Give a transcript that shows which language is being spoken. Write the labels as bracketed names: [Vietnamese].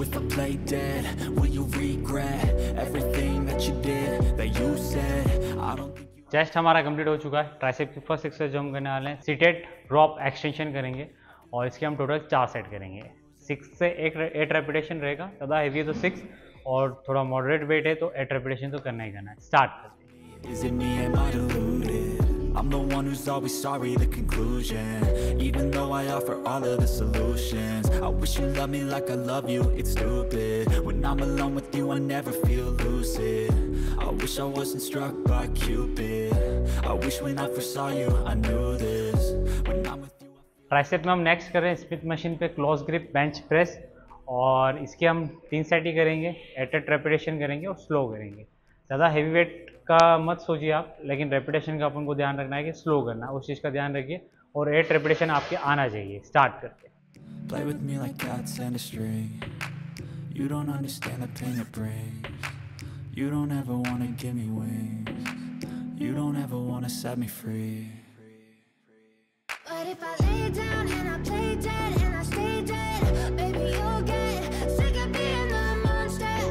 [English] Play dead, will you regret everything that you did, that you said? I don't think you... [Hindi] chest हमारा complete हो चुका है। Tricep की first exercise हम करने वाले हैं सीटेड रोप एक्सटेंशन करेंगे, और इसके हम टोटल 4 सेट करेंगे। 6 से 8 रेपिटेशन रहेगा, ज्यादा हैवी है तो 6, और थोड़ा मॉडरेट वेट है तो 8 रेपिटेशन तो करना ही करना है। स्टार्ट करते। [English] I'm the one who's always sorry, the conclusion. Even though I offer all of the solutions. I wish you loved me like I love you, it's stupid. When I'm alone with you, I never feel lucid. I wish I wasn't struck by Cupid. I wish when I first saw you, I knew this. When I'm with you, I feel... [Hindi] Tricep mein hum next kar rahe hain Smith machine pe close grip bench press. Aur iske hum 3 set hi karenge. Attempt repetition karenge aur slow karenge. ज़्यादा heavy weight का मत सोचिए आप, लेकिन repetition का अपन को ध्यान रखना है कि स्लो करना, उस चीज़ का ध्यान रखिए, और 8 रेपिटेशन आपके आना चाहिए। स्टार्ट करते हैं। Play with me like cats and a string. You don't understand the pain it brings. You don't ever wanna give me wings. You don't ever wanna set me free. But if I lay down and I play dead and I stay dead, baby you'll get sick of being the monster.